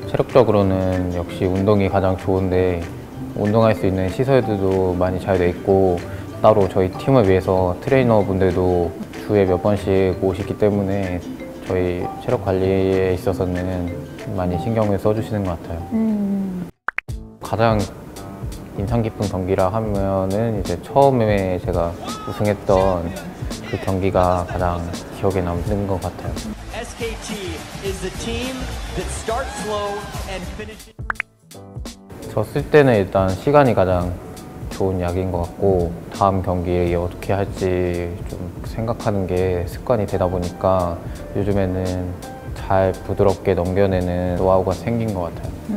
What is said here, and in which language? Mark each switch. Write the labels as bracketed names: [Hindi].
[Korean] 체력적으로는 역시 운동이 가장 좋은데 운동할 수 있는 시설들도 많이 잘 돼 있고 따로 저희 팀을 위해서 트레이너분들도 주에 몇 번씩 오시기 때문에 저희 체력 관리에 있어서는 많이 신경을 써주시는 것 같아요. 가장 인상 깊은 경기라 하면은 이제 처음에 제가 우승했던 그 경기가 가장 기억에 남는 것 같아요. [English] SKT is the team that starts slow and finishes. [Korean] 저 쓸 때는 일단 시간이 가장 좋은 약인 것 같고 다음 경기에 어떻게 할지 좀 생각하는 게 습관이 되다 보니까 요즘에는 잘 부드럽게 넘겨내는 노하우가 생긴 것 같아요.